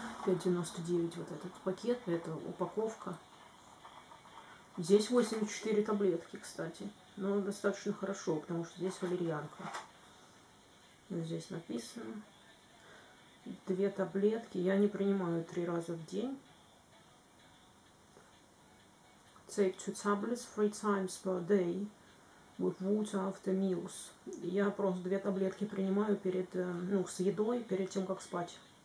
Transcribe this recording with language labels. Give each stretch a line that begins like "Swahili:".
Russian: 5,99 вот этот пакет, это упаковка. Здесь 84 таблетки, кстати. Но достаточно хорошо, потому что здесь валерьянка. Здесь написано. 2 таблетки. Я не принимаю 3 раза в день.
English: Take 2 tablets 3 times per day. With water after meals.
Russian: Я просто 2 таблетки принимаю перед, ну, с едой, перед тем, как спать.